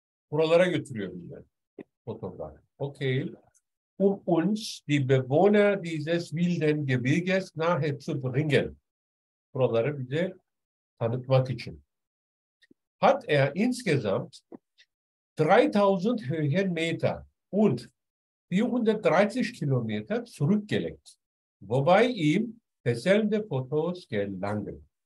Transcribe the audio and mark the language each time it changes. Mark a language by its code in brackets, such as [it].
[tr] Buralara götürüyor bizi fotoğraf. Okay. [de] Uns die Bewohner dieses wilden Gebirges nahe zu bringen. [tr] Buraları bize tanıtmak için. [de] Hat insgesamt 3000 Höhenmeter und 430 Kilometer zurückgelegt. Wobei ihm Fesselnde Fotos gelangen.